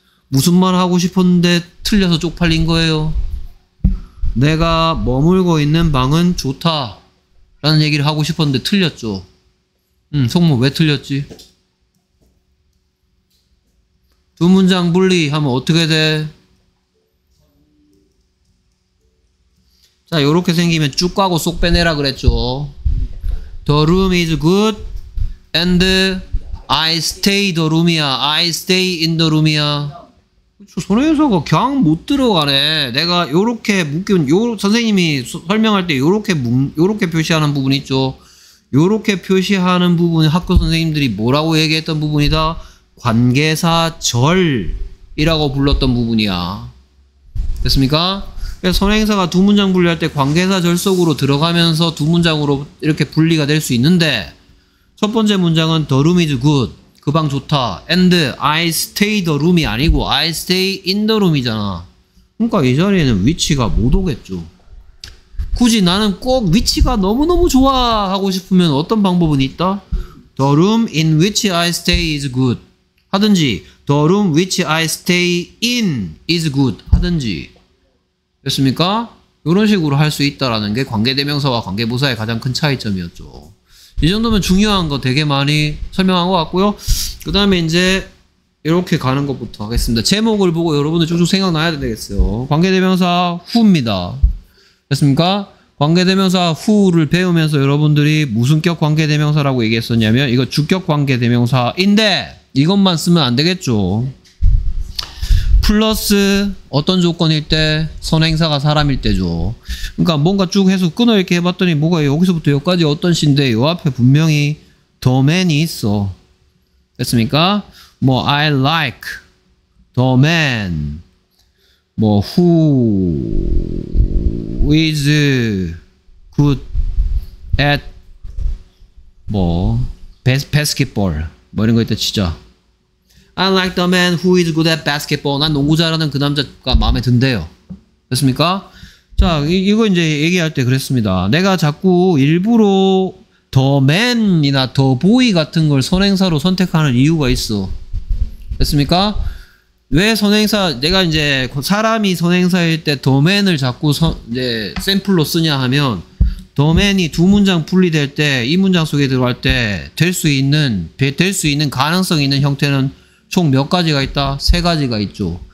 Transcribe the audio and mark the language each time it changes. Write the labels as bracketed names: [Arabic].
[Korean] 무슨 말 하고 싶었는데 틀려서 쪽팔린 거예요. 내가 머물고 있는 방은 좋다 라는 얘기를 하고 싶었는데 틀렸죠. 성모 왜 틀렸지? 두 문장 분리 하면 어떻게 돼? 자 요렇게 생기면 쭉 가고 쏙 빼내라 그랬죠. [English] The room is good and I stay the room이야. I stay in the room이야. [Korean] 그쵸, 선행사가 그냥 못 들어가네. 내가 요렇게 묶은 요 선생님이 설명할 때 요렇게 표시하는 부분 있죠. 요렇게 표시하는 부분이 학교 선생님들이 뭐라고 얘기했던 부분이다. 관계사 절이라고 불렀던 부분이야. 됐습니까? 선행사가 두 문장 분리할 때 관계사 절 속으로 들어가면서 두 문장으로 이렇게 분리가 될 수 있는데 첫 번째 문장은 [English] The room is good. [Korean] 그 방 좋다. [English] And I stay the room [Korean] 이 아니고 [English] I stay in the room이잖아. [Korean] 그러니까 이 자리에는 위치가 못 오겠죠. 굳이 나는 꼭 위치가 너무너무 좋아 하고 싶으면 어떤 방법은 있다? [English] The room in which I stay is good. [Korean] 하든지 [English] The room which I stay in is good. [Korean] 하든지 됐습니까? 이런 식으로 할 수 있다라는 게 관계대명사와 관계부사의 가장 큰 차이점이었죠. 이 정도면 중요한 거 되게 많이 설명한 것 같고요. 그 다음에 이제 이렇게 가는 것부터 하겠습니다. 제목을 보고 여러분들 쭉쭉 생각나야 되겠어요. 관계대명사 후입니다. 됐습니까? 관계대명사 후를 배우면서 여러분들이 무슨 격 관계대명사라고 얘기했었냐면 이거 주격 관계대명사인데 이것만 쓰면 안 되겠죠. 플러스 어떤 조건일 때 선행사가 사람일 때죠. 그러니까 뭔가 쭉 해서 끊어 이렇게 해봤더니 뭐가 여기서부터 여기까지 어떤 시인데 요 앞에 분명히 the man이 있어. 됐습니까? 뭐 [English] I like the man [Korean] 뭐 [English] who is good at [Korean] 뭐 basketball 뭐 이런 거 있다 치죠. [English] I like the man who is good at basketball. [Korean] 난 농구 잘하는 그 남자가 마음에 든대요. 됐습니까? 자, 이거 이제 얘기할 때 그랬습니다. 내가 자꾸 일부러 the man이나 the boy 같은 걸 선행사로 선택하는 이유가 있어. 됐습니까? 왜 선행사, 내가 이제 사람이 선행사일 때 the man을 자꾸 이제 샘플로 쓰냐 하면 the man이 두 문장 분리될 때 이 문장 속에 들어갈 때 될 수 있는 가능성 있는 형태는 총 몇 가지가 있다? 세 가지가 있죠.